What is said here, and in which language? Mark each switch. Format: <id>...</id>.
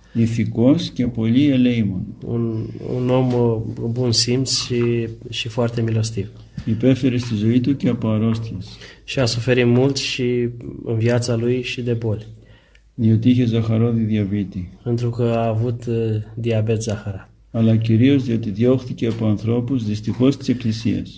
<el>Ηθικός και πολύ ελεήμων.</el> <ro>Un om bun simț și foarte milostiv.</ro> <el>Υπέφερε στη ζωή του και από αρρώστιες.</el> <ro>Și a suferit mult și în viața lui și de boli.</ro> <el>Διότι είχε ζαχαρόδι διαβήτη.</el> <ro>Pentru că a avut diabet zahara.</ro> <el>Αλλά κυρίως διότι διώχθηκε από ανθρώπους δυστυχώς της Εκκλησίας.</el>